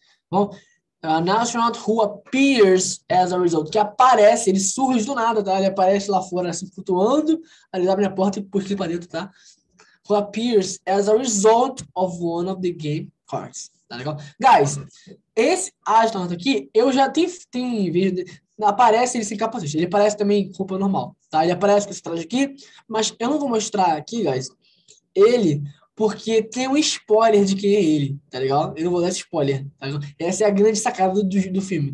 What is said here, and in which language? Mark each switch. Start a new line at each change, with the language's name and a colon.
English: Bom, an astronaut who appears as a result.
Portuguese: Que aparece, ele surge do nada, tá? Ele aparece lá fora, assim, flutuando. Aí ele abre a porta e puxa ele pra dentro, tá?
English: Who appears as a result of one of the game cards.
Portuguese: Tá legal? Guys, esse astronauta aqui, eu já tenho vídeo. Aparece ele sem capacete. Ele aparece também com roupa normal. Tá? Ele aparece com esse traje aqui. Mas eu não vou mostrar aqui, guys, ele, porque tem um spoiler de quem é ele. Tá legal? Eu não vou dar esse spoiler. Tá legal? Essa é a grande sacada do filme.